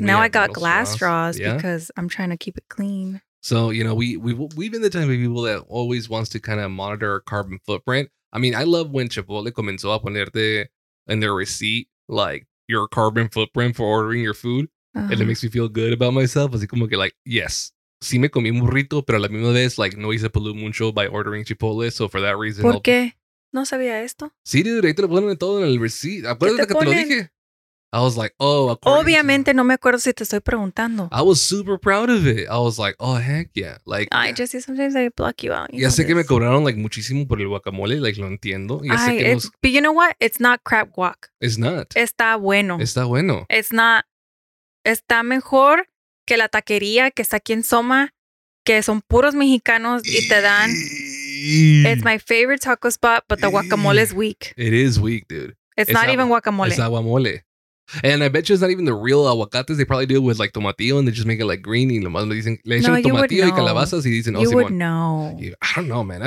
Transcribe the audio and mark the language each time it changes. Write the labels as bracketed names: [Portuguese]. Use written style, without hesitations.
[English] Now I got glass straws, yeah, because I'm trying to keep it clean. So, you know, we've been the type of people that always wants to kind of monitor our carbon footprint. I mean, I love when Chipotle [Spanish] comenzó a ponerte [English] in their receipt, like, your carbon footprint for ordering your food. Uh-huh. And it makes me feel good about myself. [Spanish] Así como que, like, yes, sí me comí un burrito, pero a la misma vez, like, no hice polu mucho [English] by ordering Chipotle. So for that reason, [Spanish] ¿por qué? No sabía esto. Sí, dude, ahí te lo ponen todo en el receipt. Acuérdate que te lo dije. [English] I was like, oh, [Spanish] obviamente no me acuerdo si te estoy preguntando. [English] I was super proud of it. I was like, oh, heck yeah. Like, ay, yeah. Jesse, sometimes I block you out. [Spanish] Ya sé que me cobraron like muchísimo por el guacamole. Like, lo entiendo. Ya sé que nos... [English] But you know what? It's not crap guac. It's not. [Spanish] Está bueno. Está bueno. [English] It's not. [Spanish] Está mejor que la taquería que está aquí en Soma, que son puros mexicanos y te dan... [English] It's my favorite taco spot, but the guacamole is weak. It is weak, dude. It's not even guacamole. It's aguamole. And I bet you it's not even the real aguacates. They probably do it with like tomatillo and they just make it like green. [Spanish] Y nomás le dicen, le echan tomatillo y calabazas y dicen, oh, [English] you would know. I don't know, man.